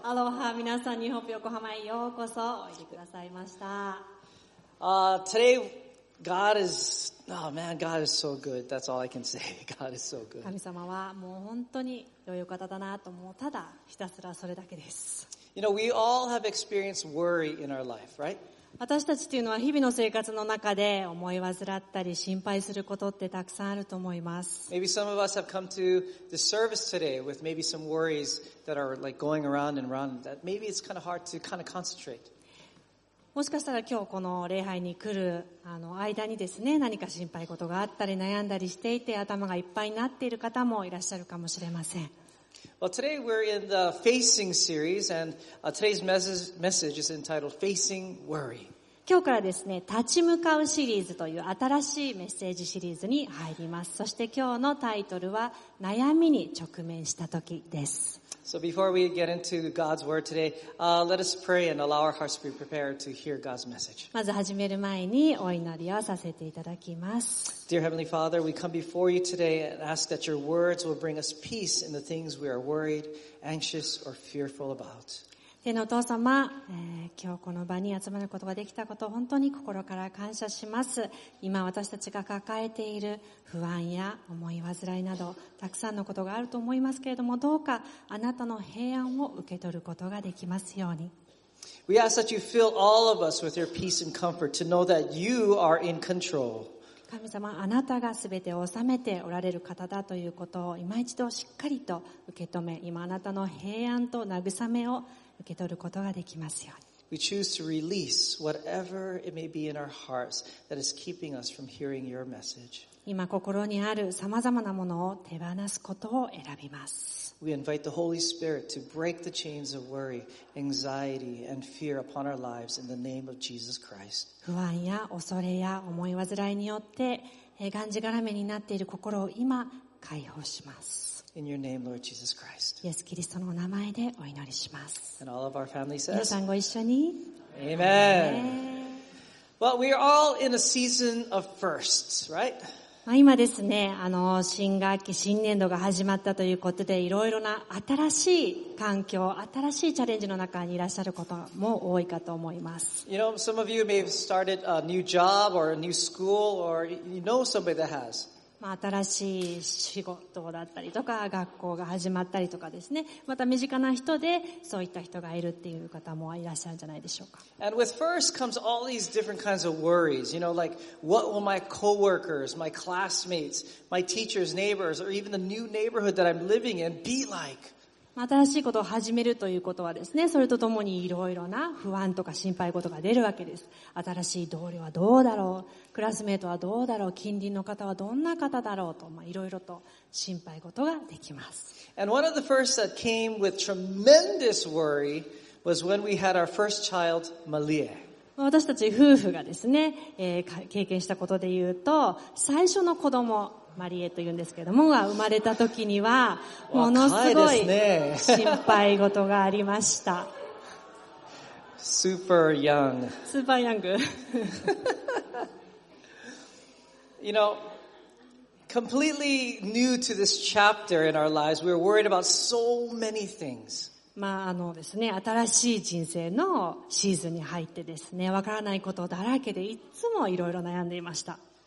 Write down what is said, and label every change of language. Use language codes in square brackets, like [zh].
[ja] Aloha, 皆さん、New Hope Yokohama へようこそおいでくださいました。 [en] Today, God is, oh man, God is so good. That's all I can say. God is so good. [ja] 神様はもう本当に良いお方だなと思う。ただひたすらそれだけです。 [en] You know, we all have experienced worry in our life, right? [ja] 私たちというのは日々の生活の中で思い患ったり心配することってたくさんあると思います。 [en] Maybe some of us have come to the service today with maybe some worries that are like going around and around that maybe it's kind of hard to kind of concentrate. [ja] もしかしたら今日この礼拝に来る間にですね何か心配事があったり悩んだりしていて頭がいっぱいになっている方もいらっしゃるかもしれません。 [en] Well, today we're in the Facing series, and today's message is entitled Facing Worry. [ja] 今日からですね、立ち向かうシリーズという新しいメッセージシリーズに入ります。そして今日のタイトルは、悩みに直面した時です。 [en] So before we get into God's word today, let us pray and allow our hearts to be prepared to hear God's message. [ja] まず始める前にお祈りをさせていただきます。 [en] Dear Heavenly Father, we come before you today and ask that your words will bring us peace in the things we are worried, anxious, or fearful about. [ja] 天のお父様、今日この場に集まることができたことを本当に心から感謝します。今私たちが抱えている不安や思い患いなど、たくさんのことがあると思いますけれども、どうかあなたの平安を受け取ることができますように。 [en] We ask that you fill all of us with your peace and comfort to know that you are in control. [ja] 神様、あなたがすべてを治めておられる方だということを今一度しっかりと受け止め、今あなたの平安と慰めを受け取ることができますように。 [en] We choose to release whatever it may be in our hearts that is keeping us from hearing your message. [ja] 今心にあるさまざまなものを手放すことを選びます。 [en] We invite the Holy Spirit to break the chains of worry, anxiety, and fear upon our lives in the name of Jesus Christ. [ja] 不安や恐れや思い患いによってがんじがらめになっている心を今解放します。 [en] In your name, Lord Jesus Christ. [ja] イエス・キリストの名前でお祈りします。 [en] And all of our family says, [ja] 皆さんご一緒に。 [en] Amen. Well, we are all in a season of firsts, right? [ja] 今ですね、新学期、新年度が始まったということで、いろいろな新しい環境、新しいチャレンジの中にいらっしゃることも多いかと思います。 [en] You know, some of you may have started a new job or a new school or you know somebody that has. [ja] 新しい仕事だったりとか学校が始まったりとかですね。また身近な人でそういった人がいるっていう方もいらっしゃるんじゃないでしょうか。 [en] And with first comes all these different kinds of worries. You know, like what will my coworkers, my classmates, my teachers, neighbors, or even the new neighborhood that I'm living in be like? [ja] 新しいことを始めるということはですね、それとともにいろいろな不安とか心配事が出るわけです。新しい同僚はどうだろう、クラスメートはどうだろう、近隣の方はどんな方だろうと、いろいろと心配事ができます。 [en] And one of the first that came with tremendous worry was when we had our first child, Malia. [ja] 私たち夫婦がですね、経験したことで言うと、最初の子供、マリエと言うんですけども、が生まれた時には、ものすごい心配事がありました。 [en] スーパーヤング。スーパーヤング。 You know, completely new to this chapter in our lives, we were worried about so many things. [ja] まあですね、新しい人生のシーズンに入ってですね、わからないことだらけでいつもいろいろ悩んでいました。